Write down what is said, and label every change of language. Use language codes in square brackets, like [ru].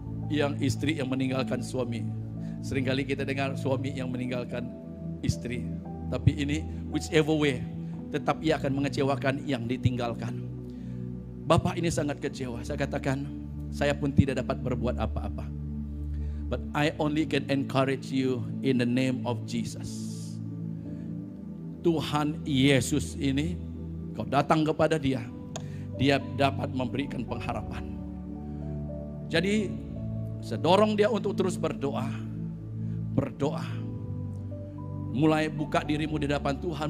[id] Yang istri yang meninggalkan suami. Seringkali kita dengar suami yang meninggalkan istri. Tapi ini [en] whichever way, [id] tetap ia akan mengecewakan yang ditinggalkan. Bapak ini sangat kecewa. Saya katakan, saya pun tidak dapat berbuat apa-apa. [en] But I only can encourage you in the name of Jesus. [id] Tuhan Yesus ini, kau datang kepada dia, dia dapat memberikan pengharapan. Jadi sedorong dia untuk terus berdoa. Berdoa. Mulai buka dirimu di hadapan Tuhan.